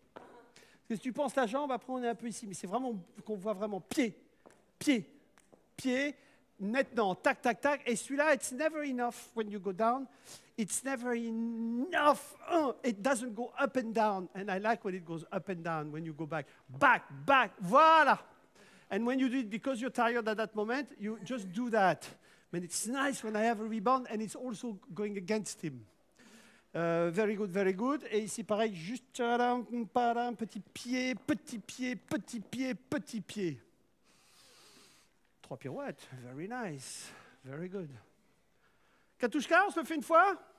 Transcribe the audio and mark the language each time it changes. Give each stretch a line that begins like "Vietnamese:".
French: Parce que si tu penses la jambe, après, on est un peu ici. Mais c'est vraiment qu'on voit vraiment pied, pied. Pied, maintenant, tac, tac, tac. Et celui-là,
English: it's never enough when you go down. It's never enough. It doesn't go up and down. And I like when it goes up and down when you go back. Back, back, voilà. And when you do it because you're tired at that moment, you just do that. And it's nice when I have a rebound and it's also going against him. Very good, very good.
French: Et ici, pareil, juste par un petit pied, petit pied, petit pied, petit pied. Trois pirouettes,
English: very nice, very good.
French: Katushka, on se le fait une fois?